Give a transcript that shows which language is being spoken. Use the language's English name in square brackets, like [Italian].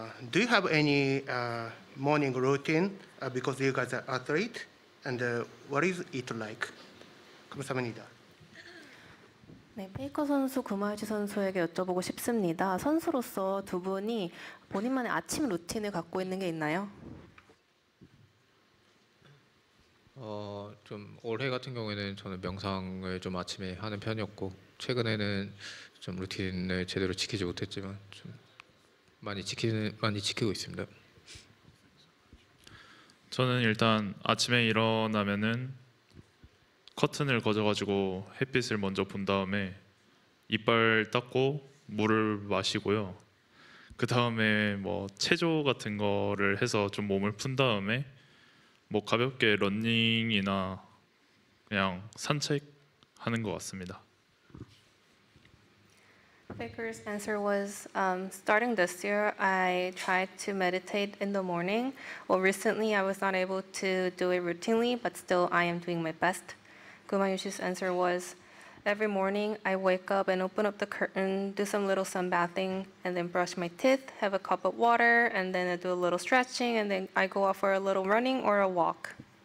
[English] Do you have any morning routine because you guys are athlete? And what is it like? [Korean] 감사합니다. 네, 페이커 선수, 구마유치 선수에게 여쭤보고 싶습니다. 선수로서 두 분이 본인만의 아침 루틴을 갖고 있는 게 있나요? 좀 올해 같은 경우에는 저는 명상을 좀 아침에 하는 편이었고 최근에는 좀 루틴을 제대로 지키지 못했지만 좀 많이 지키고 있습니다. 저는 일단 아침에 일어나면은 커튼을 걷어가지고 햇빛을 먼저 본 다음에 이빨 닦고 물을 마시고요. 그 다음에 뭐 체조 같은 거를 해서 좀 몸을 푼 다음에 뭐 가볍게 러닝이나 그냥 산책하는 것 같습니다. [English] Faker's answer was, starting this year, I tried to meditate in the morning. Well, recently, I was not able to do it routinely, but still, I am doing my best. Gumayoshi's answer was, every morning, I wake up and open up the curtain, do some little sun bathing, and then brush my teeth, have a cup of water, and then I do a little stretching, and then I go out for a little running or a walk.